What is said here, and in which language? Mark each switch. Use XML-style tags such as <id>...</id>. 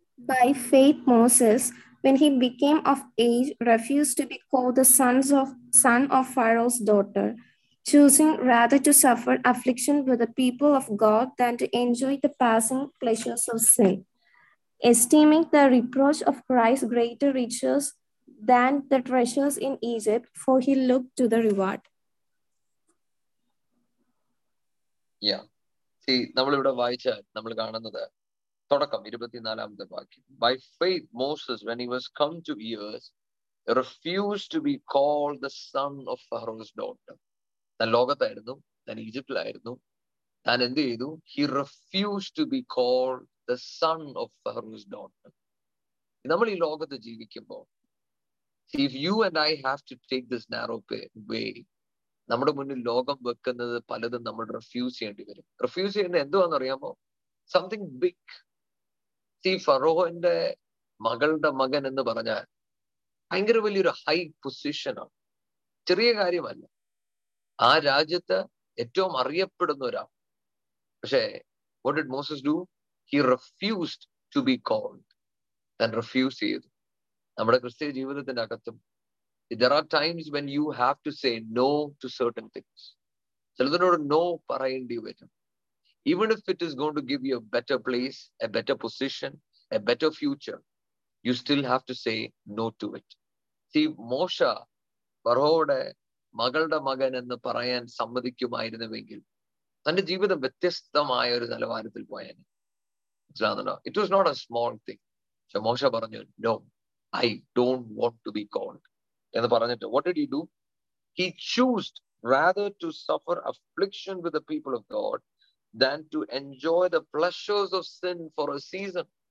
<en>By faith Moses, when he became of age, refused to be called the son of Pharaoh's daughter, choosing rather to suffer affliction with the people of God than to enjoy the passing pleasures of sin, esteeming the reproach of Christ greater riches than the treasures in Egypt, for he looked to the reward.</en> <ml>Yeah, see, നമ്മൾ ഇവിടെ വായിച്ചാൽ നമ്മൾ കാണുന്നത്, തുടക്കം 24-ാമത്തെ വാക്യം.</ml> <en>By faith Moses, when he was come to years, refused to be called the son of Pharaoh's daughter.</en> <ml>താൻ ലോകത്തായിരുന്നു, താൻ ഈജിപ്തിലായിരുന്നു, താൻ എന്ത് ചെയ്തു?</ml> <en>He refused to be called the son of Pharaoh's daughter.</en> <ml>നമ്മൾ ഈ ലോകത്ത് ജീവിക്കുമ്പോൾ,</ml> <en>if you and I have to take this narrow way,</en> <ml>നമ്മുടെ മുന്നിൽ ലോകം വെക്കുന്നത് പലതും നമ്മൾ റെഫ്യൂസ് ചെയ്യേണ്ടി വരും. റെഫ്യൂസ് ചെയ്യുന്നത് എന്തുവാന്ന് അറിയാമോ?</ml> <en>Something big.</en> <ml>സീ, ഫറോഹന്റെ മകളുടെ മകൻ എന്ന് പറഞ്ഞാൽ ഭയങ്കര വലിയൊരു ഹൈ പൊസിഷനാണ്, ചെറിയ കാര്യമല്ല. ആ രാജ്യത്ത് ഏറ്റവും അറിയപ്പെടുന്ന ഒരാൾ.</ml> <en>പക്ഷേ what did Moses do? He refused to be called and refused ചെയ്തു.</en> <ml>നമ്മുടെ ക്രിസ്ത്യ ജീവിതത്തിന്റെ അകത്തും</ml> <en>there are times when you have to say no to certain things.</en> <ml>ചിലതിനോട് no പറയേണ്ടി വരും.</ml> <en>Even if it is going to give you a better place, a better position, a better future, you still have to say no to it.</en> <ml>See, Moshe, ഫറോയുടെ മകളുടെ മകൻ എന്ന് പറയാൻ സമ്മതിക്കുമായിരുന്നുവെങ്കിൽ തന്റെ ജീവിതം വ്യത്യസ്തമായ ഒരു നിലവാരത്തിൽ പോയാന്. മനസ്സിലാകുന്നുണ്ടോ?</ml> <en>It was not a small thing. So Moshe പറഞ്ഞു, no, I don't want to be called.</en> <ml>എന്ന് പറഞ്ഞിട്ട്</ml> <en>what did he do? He chose rather to suffer affliction with the people of God than to enjoy the pleasures of sin for a season.</en>